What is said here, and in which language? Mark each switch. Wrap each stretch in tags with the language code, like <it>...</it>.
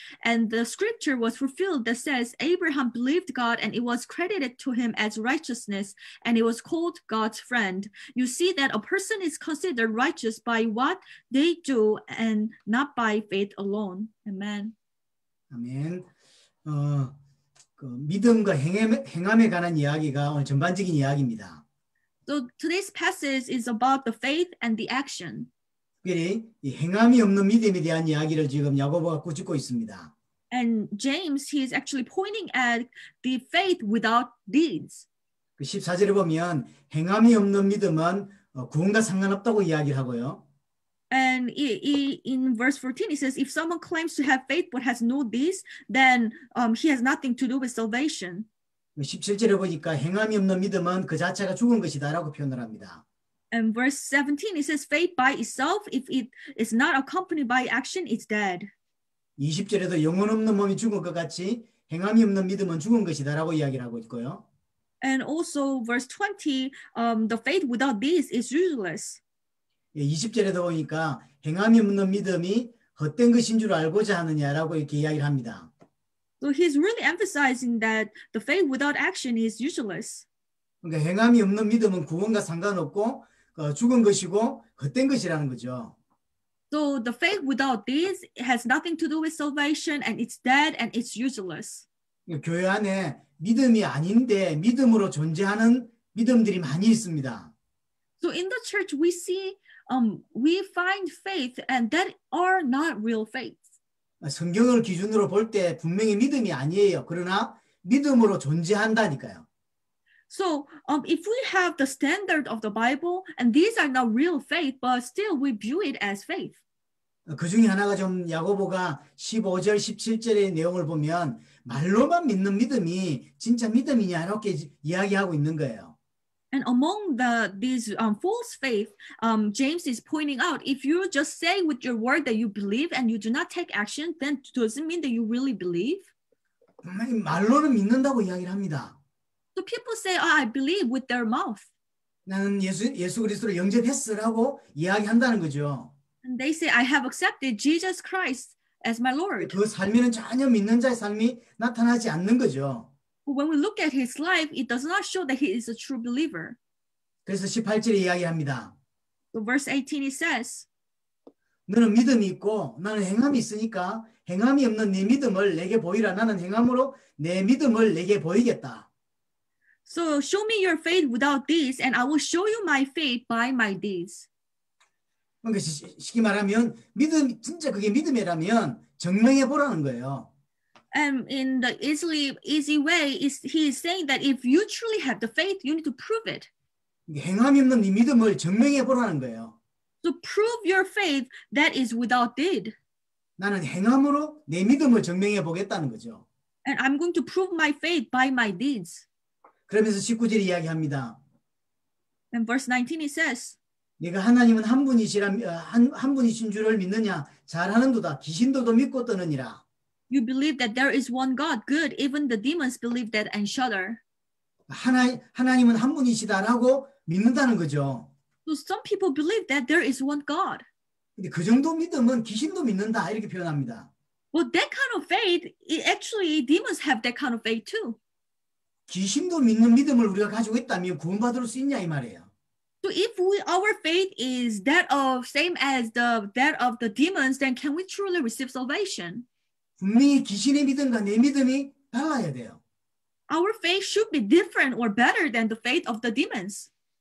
<en>And the scripture was fulfilled that says, Abraham believed God, and it was credited to him as righteousness, and he was called God's friend. You see that a person is considered righteous by what they do, and not by faith alone. Amen. Amen.</en> <ko>그 믿음과 행함에 관한 이야기가 오늘 전반적인 이야기입니다.</ko> <en>So today's passage is about the faith and the action.</en> <ko>특별히 이 행함이 없는 믿음에 대한 이야기를 지금 야고보가 꾸짖고 있습니다.</ko> <en>And James, he is actually pointing at the faith without deeds.</en> <ko>그 14절을 보면 행함이 없는 믿음은 구원과 상관없다고 이야기를 하고요.</ko> <en>And in verse 14, it says, if someone claims to have faith but has no deeds, then he has nothing to do with salvation.</en> <ko>17절에 보니까 행함이 없는 믿음은 그 자체가 죽은 것이다 라고 표현을 합니다.</ko> <en>And verse 17, it says, faith by itself, if it is not accompanied by action, it's dead.</en> <ko>20절에도 영혼 없는 몸이 죽은 것 같이 행함이 없는 믿음은 죽은 것이다 라고 이야기를 하고 있고요.</ko> <en>And also verse 20, the faith without this is useless.</en> <ko>20절에도 보니까 행함이 없는 믿음이 헛된 것인 줄 알고자 하느냐라고 이렇게 이야기를 합니다.</ko> <en>So he's really emphasizing that the faith without action is useless.</en> <ko>그러니까 행함이 없는 믿음은 구원과 상관없고 죽은 것이고 헛된 것이라는 거죠.</ko> <en>So the faith without these has nothing to do with salvation, and it's dead and it's useless.</en> <ko>교회 안에 믿음이 아닌데 믿음으로 존재하는 믿음들이 많이 있습니다.</ko> <en>So in the church we see we find faith and that are not real faith.</en> <ko>성경을 기준으로 볼 때 분명히 믿음이 아니에요. 그러나 믿음으로 존재한다니까요.</ko> <en>So if we have the standard of the Bible and these are not real faith but still we view it as faith.</en> <ko>그 중에 하나가 좀 야고보가 15절 17절의 내용을 보면 말로만 믿는 믿음이 진짜 믿음이냐 이렇게 이야기하고 있는 거예요.</ko> <en>And among the these false faith, James is pointing out, if you just say with your word that you believe and you do not take action, then doesn't mean that you really believe.</en> <ko>말로는 믿는다고 이야기를 합니다.</ko> <en>So people say, oh, I believe with their mouth.</en> <ko>나는 예수 그리스도를 영접했으라고 이야기한다는 거죠.</ko> <en>And they say, I have accepted Jesus Christ as my Lord.</en> <ko>그 삶에는 전혀 믿는 자의 삶이 나타나지 않는 거죠.</ko> <en>When we look at his life, it does not show that he is a true believer.</en> <ko>그래서 18절에 이야기합니다.</ko> <en>So verse 18, he says,</en> <ko>너는 믿음이 있고 나는 행함이 있으니까 행함이 없는 네 믿음을 내게 보이라. 나는 행함으로 내 믿음을 내게 보이겠다.</ko> <en>So show me your faith without deeds, and I will show you my faith by my deeds.</en> <ko>그러니까 쉽게 말하면 믿음 진짜 그게 믿음이라면 증명해 보라는 거예요.</ko> <en>And in the easy way, he is saying that if you truly have the faith, you need to prove it.</en> <ko>행함이 없는 이 믿음을 증명해 보라는 거예요.</ko> <en>So prove your faith that is without deed.</en> <ko>나는 행함으로 내 믿음을 증명해 보겠다는 거죠.</ko> <en>And I'm going to prove my faith by my deeds.</en> <ko>그러면서 19절 이야기합니다.</ko> <en>And verse 19 he says,</en> <ko>네가 하나님은 한 분이신 줄을 믿느냐? 잘하는도다. 귀신들도 믿고 떠느니라.</ko> <en>You believe that there is one God. Good. Even the demons believe that and shudder.</en> <ko>하나님은 한 분이시다라고 믿는다는 거죠.</ko> <en>So some people believe that there is one God.</en> <ko>근데 그 정도 믿음은 귀신도 믿는다 이렇게 표현합니다.</ko> <en>Well, that kind of faith, actually demons have that kind of faith too.</en> <ko>귀신도 믿는 믿음을 우리가 가지고 있다면 구원받을 수 있냐 이 말이에요.</ko> <en>So if our faith is that of same as that of the demons, then can we truly receive salvation?</en> <ko>분명히 귀신의 믿음과 내 믿음이 달라야 돼요.</ko> <en>Our faith should be different or better than the faith of the demons.</en>